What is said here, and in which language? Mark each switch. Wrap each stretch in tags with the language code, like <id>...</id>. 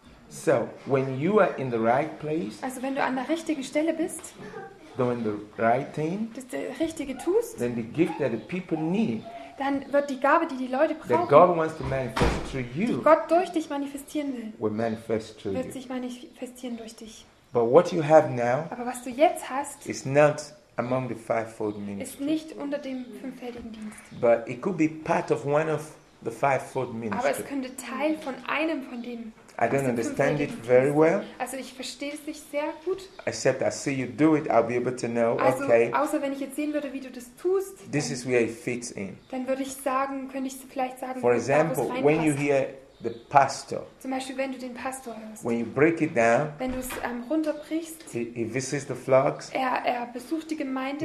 <en>So, when you are in the right place.</en> <de>Also wenn du an der richtigen Stelle bist.</de> <en>Doing the right thing.</en> <de>Das Richtige tust.</de> <en>Then the gift that the people need.</en> <de>Dann wird die Gabe, die die Leute brauchen,</de> <en>God wants to manifest through you,</en> <de>die Gott durch dich manifestieren will,</de> <en>will manifest through</en> <de>wird sich manifestieren durch dich.</de> <en>But what you have now,</en> <de>aber was du jetzt hast,</de> <en>is not among the fivefold ministry,</en> <de>ist nicht unter dem fünffältigen Dienst.</de> <en>But it could be part of one of the fivefold ministry.</en> <de>Aber es könnte Teil von einem von den</de> <en>I don't understand it very well.</en> <de>Also ich verstehe es nicht sehr gut.</de> <en>Except I see you do it, I'll be able to know.</en> <de>Also,</de> <en>okay.</en> <de>Außer wenn ich jetzt sehen würde, wie du das tust.</de> <en>This is where it fits in.</en> <de>Dann würde ich sagen, könnte ich vielleicht sagen,</de> <en>for example,</en> <de>da, wo es reinpasst.</de> <en>When you hear the pastor.</en> <de>Zum Beispiel, wenn du den Pastor hörst.</de> <en>When you break it down.</en> <de>Wenn du es runterbrichst.</de> <en>He visits the flocks.</en> <de>Er besucht die Gemeinde,</de>